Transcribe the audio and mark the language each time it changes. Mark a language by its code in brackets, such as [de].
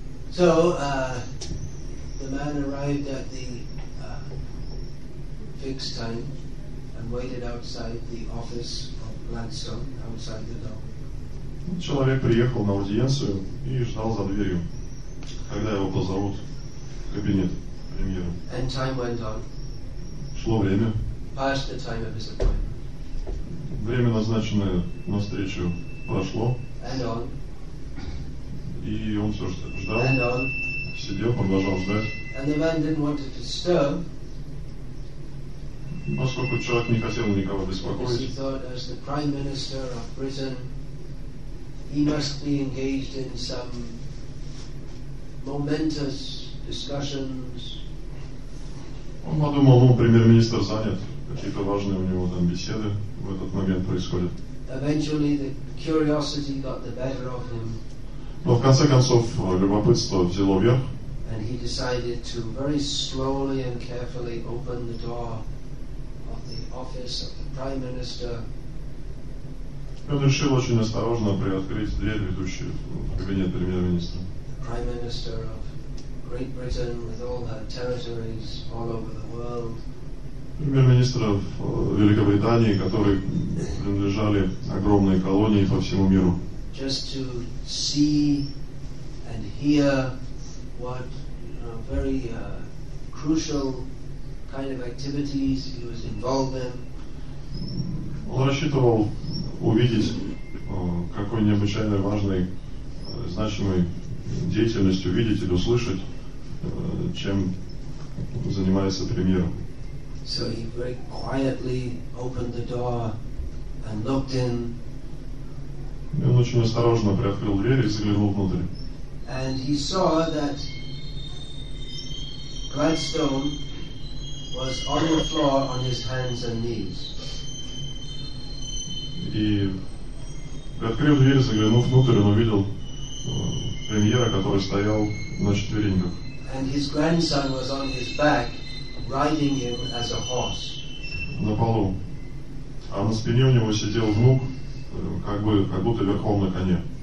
[en] So, the man arrived at the fixed time and waited outside the office of Gladstone, outside the door. [ru] Человек приехал на аудиенцию и ждал за дверью, когда его позовут в кабинет премьера. [en] And time went on. [ru] Шло время. [en] Past the time of his appointment. [ru] Время, назначенное на встречу, прошло. [en] And on. [ru] И он все ждал. [en] And on. [ru] Сидел, продолжал ждать. [en] And the man didn't want to disturb. [ru] Поскольку человек не хотел никого беспокоить. [en] He thought, as the prime minister of Britain, he must be engaged in some momentous discussions. [ru] Он подумал, ну, премьер-министр занят, какие-то важные у него там беседы в этот момент происходят. [en] Eventually, the curiosity got the better of him. [ru] Но в конце концов любопытство взяло верх. [en] And he decided to very slowly and carefully open the door of the office of the prime minister. [ru] Он решил очень осторожно приоткрыть дверь, ведущую в кабинет премьер-министра. [en] Prime Minister of Great Britain with all her territories all over the world. [ru] Премьер-министр Великобритании, которой принадлежали огромные колонии по всему миру. [en] Just to see and hear what, you know, very crucial kind of activities he was involved in. [ru] Он рассчитывал увидеть, какой необычайно важной, значимой деятельностью увидеть или услышать, чем занимается премьер. [en] So he very quietly opened the door and looked in. [ru] И он очень осторожно приоткрыл дверь и заглянул внутрь. [en] And he saw that Gladstone was on the floor on his hands and knees. [ru] И приоткрыл дверь, заглянул внутрь, он увидел премьера, который стоял на четвереньках. [en] And his grandson was on his back, riding him as a horse. [ru] На полу. А на спине у него сидел внук, как будто верхом на коне.